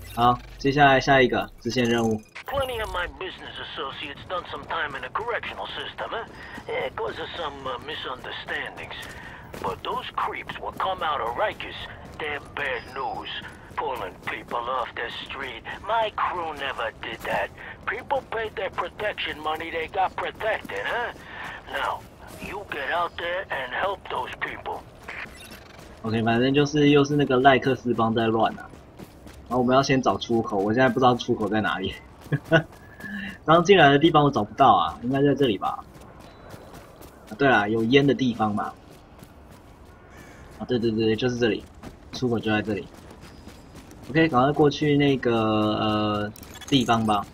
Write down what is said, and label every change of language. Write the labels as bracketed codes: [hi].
[zh] 好，接下来下一个支线任务。 [en] Plenty of my business associates done some time in the correctional system, eh? It causes some misunderstandings. But those creeps will come out of Rikers. Damn bad news. Pulling people off the street. My crew never did that. People paid their protection money, they got protected, huh? Now, you get out there and help those people. [zh] OK， 反正就是又是那个赖克斯帮在乱啊。然后我们要先找出口，我现在不知道出口在哪里。刚进来的地方我找不到啊，应该在这里吧。啊，对啦，有烟的地方嘛。啊，对，就是这里。出口就在这里。OK， 赶快过去那个地方吧。